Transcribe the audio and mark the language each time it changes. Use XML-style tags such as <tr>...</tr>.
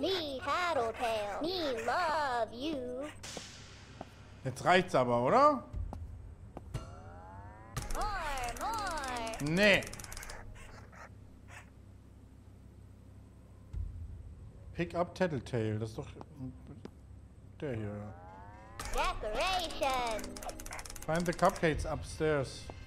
<en>Me Tattletail, me love you.</en> <de>Jetzt reicht's aber, oder?</de> <en>More, more.</en> <de>Nee.</de> <en>Pick up</en> <de>Tattletail, das ist doch der hier.</de> <en>Decoration. Find the cupcakes upstairs.</en>